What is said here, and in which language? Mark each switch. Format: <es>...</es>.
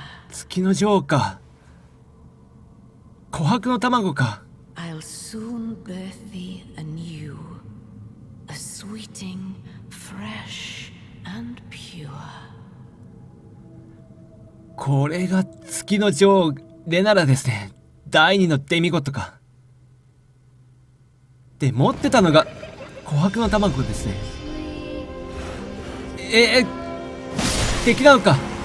<ja>月のジョーか琥珀の卵か。</ja> <en>I'll soon birth thee anew, a sweeting fresh and pure.</en> <ja>これが月の女王レナラですね。第二のデミゴットか。で、持ってたのが琥珀の卵ですね。敵なのか。</ja>